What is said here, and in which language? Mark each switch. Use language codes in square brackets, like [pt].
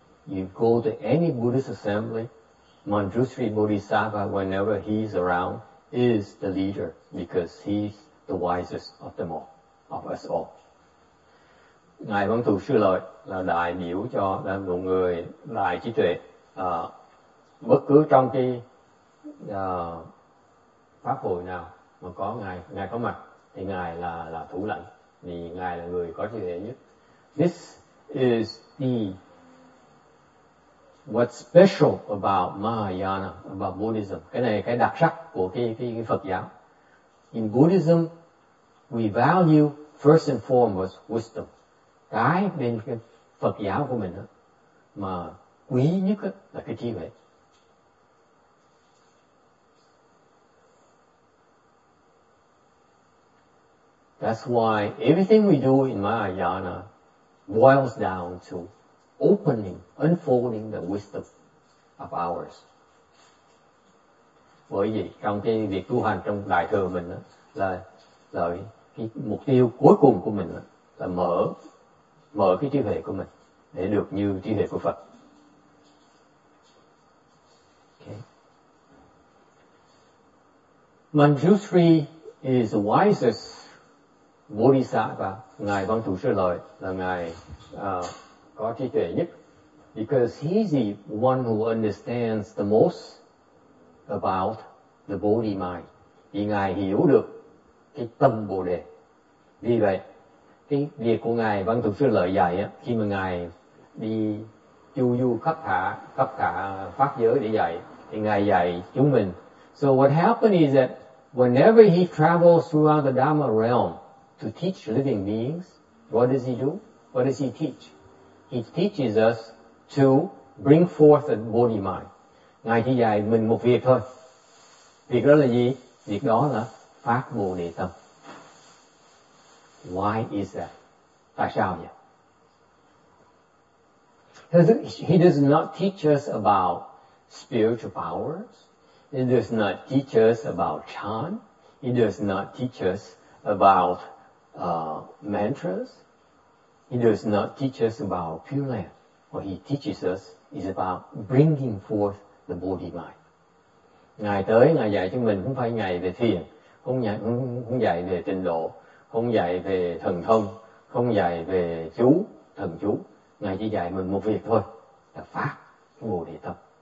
[en] You go to any Buddhist assembly, Manjushri Bodhisattva, whenever he's around, is the leader because he's the wisest of them all, of us all. [vi] Ngài Văn Thù Sư Lợi là đại biểu cho một người đại trí tuệ. Bất cứ trong cái pháp hội nào mà có ngài có mặt thì ngài là thủ lãnh, vì ngài là người có trí tuệ nhất. [en] This is the what's special about Mahayana, about Buddhism. [vi] Cái này cái đặc sắc của cái Phật giáo. [en] In Buddhism, we value first and foremost wisdom. [vi] Cái bên cái Phật giáo của mình đó, mà quý nhất đó, là cái trí huệ. [en] That's why everything we do in Mahayana boils down to opening, unfolding the wisdom of ours. [vi] Bởi vì trong cái việc tu hành trong đại thừa mình đó, là cái mục tiêu cuối cùng của mình đó, là mở cái trí huệ của mình để được như trí huệ của Phật. [en] Okay. Manjushri is the wisest Bodhisattva. [vi] Ngài Văn Thù Sư Lợi là ngài có trí tuệ nhất, [en] because he's the one who understands the most about the Bodhi mind. [vi] Vì ngài hiểu được cái tâm Bồ Đề. Vì vậy, cái việc của ngài Văn Thù Sư Lợi dạy á, khi mà ngài đi chu du khắp cả pháp giới để dạy, thì ngài dạy chúng mình. [en] So what happened is that whenever he travels throughout the Dharma realm to teach living beings, what does he do? What does he teach? He teaches us to bring forth the Bodhi mind. [vi] Ngài chỉ dạy mình một việc thôi. Việc đó là gì? Việc đó là phát Bồ Đề tâm. [en] Why is that? [vi] Tại sao vậy? [en] He does not teach us about spiritual powers. He does not teach us about chant. He does not teach us about mantras. He does not teach us about Pure Land. What he teaches us is about bringing forth the Bodhi mind. [vi] Ngài tới, ngài dạy chúng mình không phải ngài về thiền, không dạy về tịnh độ, không dạy về thần thông, không dạy về chú, thần chú. Ngài chỉ dạy mình một việc thôi, là phát Bồ Đề tâm.